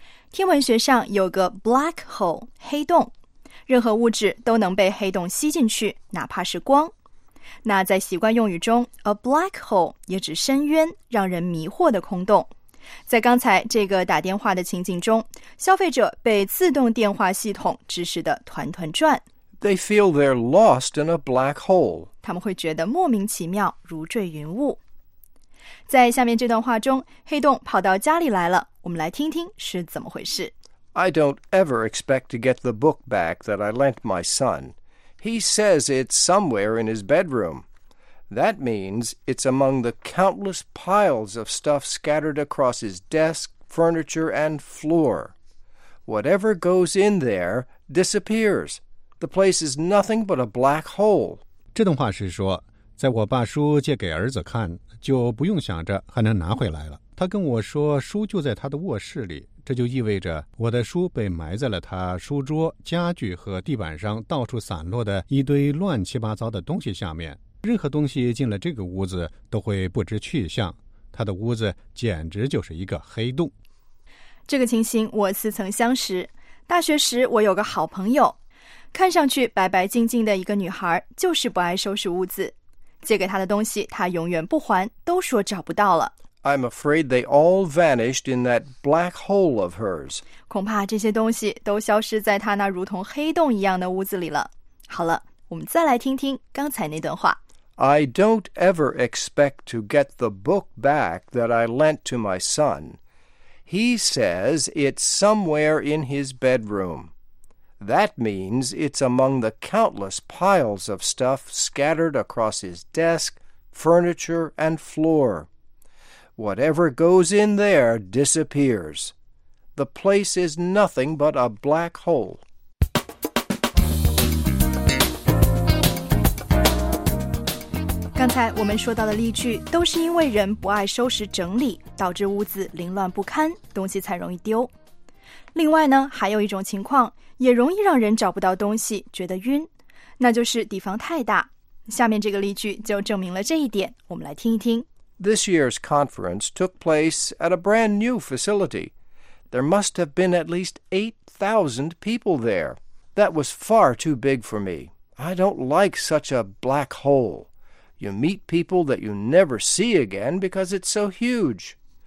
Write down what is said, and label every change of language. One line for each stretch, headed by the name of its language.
Chinese: 天文学上有个 black hole, 黑洞，任何物质都能被黑洞吸进去，哪怕是光。那在习惯用语中 ,A black hole 也指深渊，让人迷惑的空洞。在刚才这个打电话的情景中，消费者被自动电话系统指使得团团转。
English: They feel they're lost in a black hole.
Chinese: 他们会觉得莫名其妙，如坠云雾。在下面这段话中，黑洞跑到家里来了，我们来听听是怎么回事。
English: I don't ever expect to get the book back that I lent my son. He says it's somewhere in his bedroom. That means it's among the countless piles of stuff scattered across his desk, furniture, and floor. Whatever goes in there disappears. The place is nothing but a black hole.
Chinese: 这段话是说，在我把书借给儿子看，就不用想着还能拿回来了。他跟我说，书就在他的卧室里，这就意味着我的书被埋在了他书桌、家具和地板上到处散落的一堆乱七八糟的东西下面。任何东西进了这个屋子都会不知去向，他的屋子简直就是一个黑洞。这个情形我似曾相识。大学时我有个好朋友，看上去白白净净的一个女孩，就是不爱收拾屋子。借给她的东西她永远不还，都说找不到了。
English: I'm afraid they all vanished in that black hole of hers.
Chinese: 恐怕这些东西都消失在她那如同黑洞一样的屋子里了。好了，我们再来听听刚才那段话。
English: I don't ever expect to get the book back that I lent to my son. He says it's somewhere in his bedroom. That means it's among the countless piles of stuff scattered across his desk, furniture, and floor. Whatever goes in there disappears. The place is nothing but a black hole.
Chinese: 刚才我们说到的例句都是因为人不爱收拾整理，导致屋子凌乱不堪，东西才容易丢。另外呢，还有一种情况也容易让人找不到东西觉得晕，那就是地方太大。下面这个例句就证明了这一点，我们来听一听。
English: This year's conference took place at a brand new facility. There must have been at least 8,000 people there. That was far too big for me. I don't like such a black holeYou meet people that you never see again because it's so huge.